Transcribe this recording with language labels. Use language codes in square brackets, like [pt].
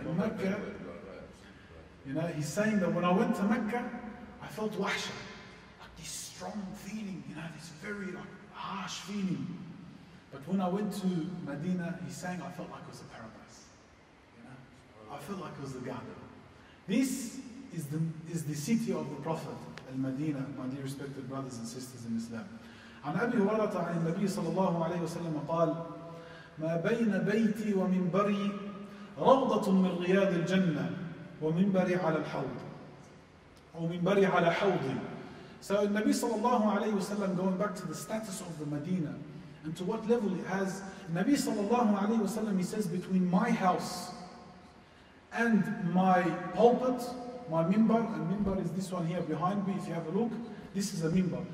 [en] In Mecca, you know, he's saying that when I went to Mecca, I felt wahsha, like this strong feeling, you know, this very like harsh feeling. But when I went to Medina, he's saying I felt like it was a paradise. You know, I felt like it was a garden. This is the city of the Prophet, Al-Madina, my dear respected brothers and sisters in Islam. [ar] عن أبي هريرة عن النبي صلى الله عليه وسلم قال ما بين بيتي ومنبري روضة من رياض الجنة ومنبري على الحوض أو منبري على حوضي. [en] So the Nabi sallallahu alayhi wasallam, going back to the status of the Medina and to what level it has, Nabi sallallahu alayhi wasallam, he says, between my house and my pulpit, my minbar, and minbar is this one here behind me, if you have a look, this is a minbar.